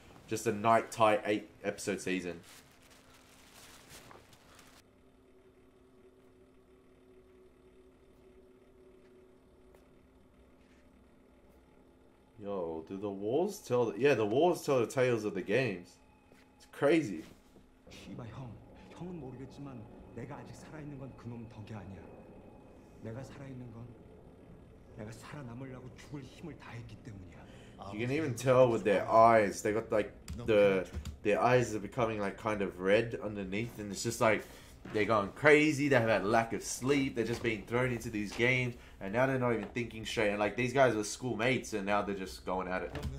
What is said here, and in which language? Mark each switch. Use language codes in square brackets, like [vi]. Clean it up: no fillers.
[en] Just a night tight 8 episode season. Yo, do the walls tell the... Yeah, the walls tell the tales of the games. It's crazy. Shiba, 형. [ko] 형은 모르겠지만 내가 아직 살아있는 건 그놈 덕이 아니야. 내가 살아있는 건 내가 살아남으려고 죽을 힘을 다했기 때문이야. [en] You can even tell with their eyes. They got like their eyes are becoming like kind of red underneath, and it's just like they're going crazy. They have had lack of sleep. They're just being thrown into these games. And now they're not even thinking straight. And like, these guys are schoolmates, and now they're just going at it.